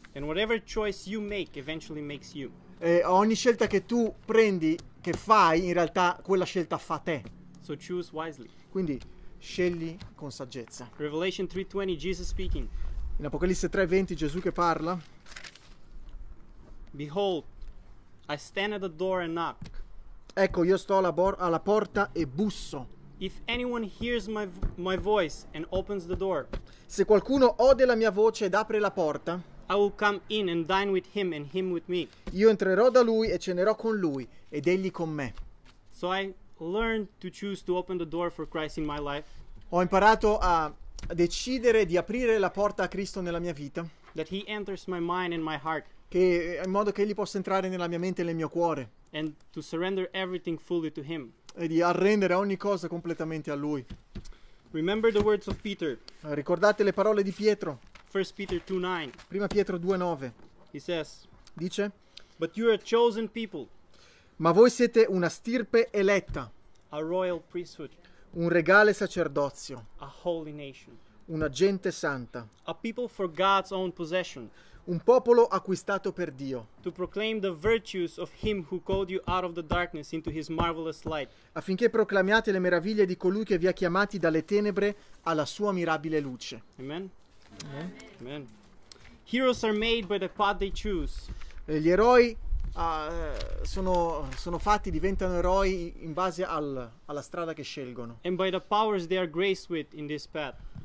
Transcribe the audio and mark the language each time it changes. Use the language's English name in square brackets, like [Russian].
[English] And whatever choice you make eventually makes you. [Italian] E ogni scelta che tu prendi, che fai, in realtà quella scelta fa te. [English] So choose wisely. [Italian] Quindi scegli con saggezza. [English] Revelation 3:20, Jesus speaking. [Italian] In Apocalisse 3:20 Gesù che parla. [English] Behold, I stand at the door and knock. [Italian] Ecco, io sto alla porta e busso. [English] If anyone hears my voice and opens the door, [Italian] se qualcuno ode la mia voce ed apre la porta, [English] I will come in and dine with him and him with me. [Italian] Io entrerò da lui e cenerò con lui ed egli con me. [English] So I learned to choose to open the door for Christ in my life. [Italian] Ho imparato a decidere di aprire la porta a Cristo nella mia vita. [English] That he enters my mind and my heart. [Italian] Che in modo che egli possa entrare nella mia mente e nel mio cuore. [English] And to surrender everything fully to him. [Italian] E di arrendere ogni cosa completamente a lui. [English] Remember the words of Peter. [Italian] Ricordate le parole di Pietro. [English] 1 Peter 2:9. [Italian] Prima Pietro 2:9. [English] He says. [Italian] Dice. [English] But you are a chosen people. [Italian] Ma voi siete una stirpe eletta. [English] A royal priesthood. [Italian] Un regale sacerdozio. [English] A holy nation. [Italian] Una gente santa. [English] A people for God's own possession. [Italian] Un popolo acquistato per Dio. [English] To proclaim the virtues of him who called you out of the darkness into his marvelous light. [Italian] Affinché proclamiate le meraviglie di colui che vi ha chiamati dalle tenebre alla sua mirabile luce. [English] Amen. Amen. Amen. Heroes are made by the path they choose. [Italian] Gli eroi sono fatti, diventano eroi in base alla strada che scelgono. [English] And by the powers they are graced with in this path.